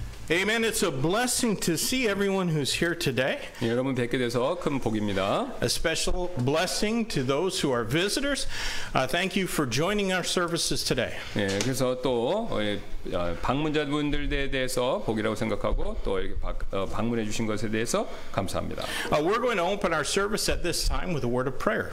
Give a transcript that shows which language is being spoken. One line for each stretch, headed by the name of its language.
English: And it's a blessing to see everyone who's here today.
Korean: 여러분 뵙게 돼서 큰 복입니다.
English: A special blessing to those who are visitors. Thank you for joining our services today.
Korean: 예, 그래서 또 방문자분들에 대해서 복이라고 생각하고 또 이렇게 방문해 주신 것에 대해서 감사합니다.
English: We're going to open our service at this time with a word of prayer.